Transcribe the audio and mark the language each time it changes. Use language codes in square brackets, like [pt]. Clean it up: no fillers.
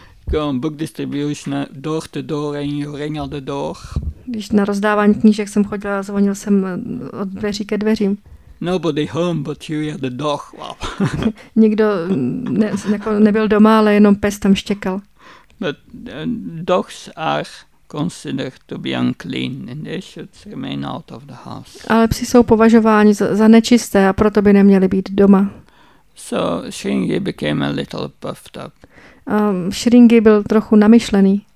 [en] Come book distribution door to door and you ring at the door. [cs] Když na rozdávání knížek jsem chodila, zvonil jsem od dveří ke dveřím. [en] Nobody home but you and the dog. Wow. [cs] Nikdo nebyl doma, ale jenom pes tam štěkal. [en] But dogs are considered to be unclean and they should remain out of the house. [cs] Ale psi jsou považováni za nečisté a proto by neměli být doma. [en] So Shringhi became a little puffed up. [cs] Shringhi byl trochu namyšlený.